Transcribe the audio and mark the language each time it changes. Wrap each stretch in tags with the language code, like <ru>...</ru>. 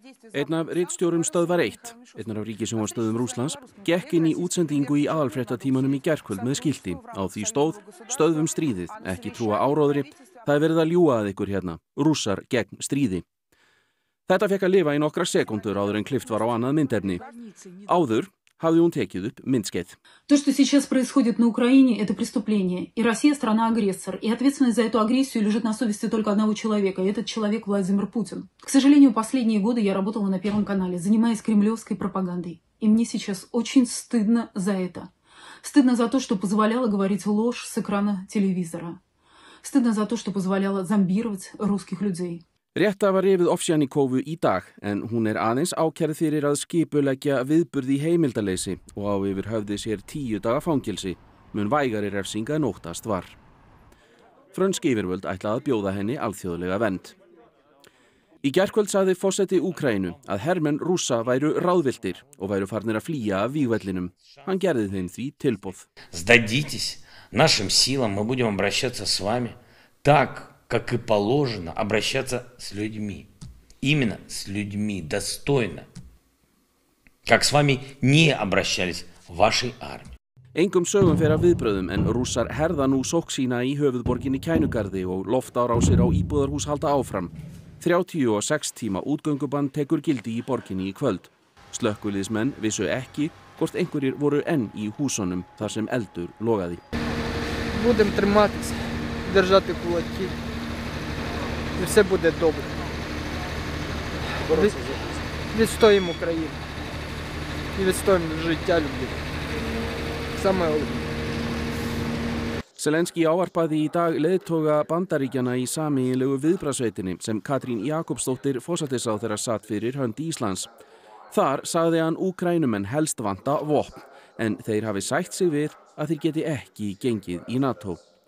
<is>Einn af ritstjórum stöðvar 1, einn af ríkissjónvarpsstöðum Rússlands, gekk inn í útsendingu í aðalfréttatímanum í gærkvöld með skilti. Á því stóð: stöðvum stríðið, ekki trúa áróðri. Það er verið að ljúga að ykkur hérna, rússar gegn stríði. Þetta fekk að lifa í nokkra sekúndur áður en klift var á annað myndefni. Áður hafði hún tekið upp myndskeið.</is> <ru>То, что сейчас происходит на Украине, это преступление. И Россия страна агрессор. И ответственность за эту агрессию лежит на совести только одного человека. И этот человек Владимир Путин. К сожалению, последние годы я работала на Первом канале, занимаясь кремлевской пропагандой. И мне сейчас очень стыдно за это. Стыдно за то, что позволяло говорить ложь с экрана телевизора. Stundan za to, što pozvaljala zambírovat rúskih ljudzei.</ru> <is>Rétta var yfir Ofsjannikovu í dag, en hún aðeins ákærð fyrir að skipuleggja viðburð í heimildaleysi og á yfir höfði sér 10 daga fangelsi, mun vægari refsinga en óttast var. Frönsk yfirvöld ætla að bjóða henni alþjóðlega vend. Í gærkvöld sagði forseti Úkraínu að hermenn Rússa væru ráðviltir og væru farnir að flýja af vígvellinum. Hann gerði þeim því tilboð.</is> <ru>Сдадитесь. Нашим силам мы будем обращаться с вами так, как и положено обращаться с людьми. Именно с людьми, достойно. Как с вами не обращались в вашей армии.</ru> <is>Engum sögum fer af viðbrögðum en rússar herða nú sókn sína í höfuðborginni Kænugarði og loftárásir á íbúðarhús halda áfram. 36 tíma útgöngubann tekur gildi í borginni í kvöld. Slökkviliðsmenn vissu ekki hvort einhverjir voru enn í húsunum þar sem eldur logaði.</is> <uk>Будем триматися, держати кулаки. І все буде добре. Відстоїмо Україну. І відстоїмо життя людей. Саме головне.</uk> <is>Zelenský ávarpaði í dag leiðtoga Bandaríkjanna í sameiginlegu viðbragðssveitinni sem Katrín Jakobsdóttir forsætisráðherra sat fyrir hönd Íslands. Þar sagði hann Úkraínumenn helst vanta vopn, en þeir hafi sætt sig við að þeir geti ekki gengið í NATO.</is>